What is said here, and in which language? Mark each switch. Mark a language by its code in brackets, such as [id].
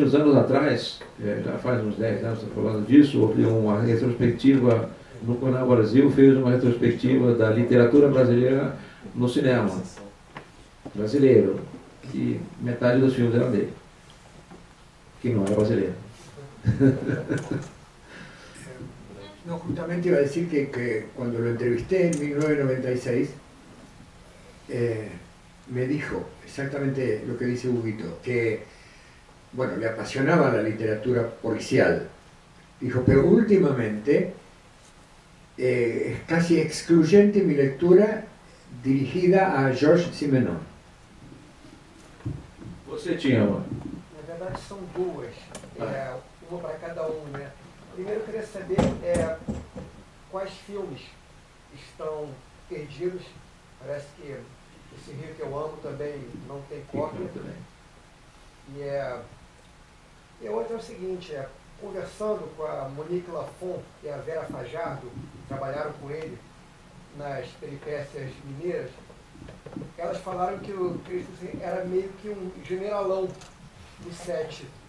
[pt] Uns anos atrás, já faz uns 10 anos, estou falando disso, houve uma retrospectiva no Canal Brasil, fez uma retrospectiva da literatura brasileira no cinema brasileiro, e metade dos filmes eram dele, que não era brasileiro. [es] No, justamente iba a decir que cuando lo entrevisté en 1996, me dijo exactamente lo que dice Huguito, que, bueno, le apasionaba la literatura policial. Dijo, pero últimamente es casi excluyente mi lectura dirigida a Georges Simenon. ¿Vos se llama? La verdad son dos, uno para cada uno, ¿no? [pt] Primeiro, eu queria saber quais filmes estão perdidos. Parece que esse Rio que eu amo também não tem cópia. E outro é o seguinte, conversando com a Monique Lafon e a Vera Fajardo, que trabalharam com ele nas peripécias mineiras, elas falaram que o Cristo era meio que um generalão do set.